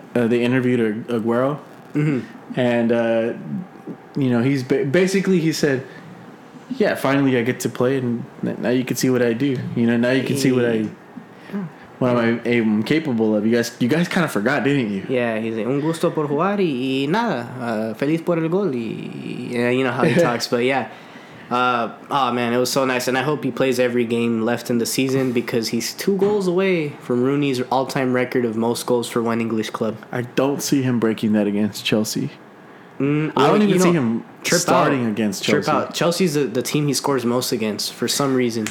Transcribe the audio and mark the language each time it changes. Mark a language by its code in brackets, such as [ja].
[en] They interviewed Aguero, mm-hmm. and, you know, he's basically he said, yeah, finally I get to play, and now you can see what I do. You know, now you can see what I'm capable of. You guys kind of forgot, didn't you? Yeah, he's like, [es] un gusto por jugar y nada, feliz por el gol. [en] Yeah, you know how he talks, but yeah. Oh, man, it was so nice, and I hope he plays every game left in the season because he's 2 goals away from Rooney's all-time record of most goals for one English club. I don't see him breaking that against Chelsea. I don't even see him starting against Chelsea. Chelsea's the team he scores most against for some reason.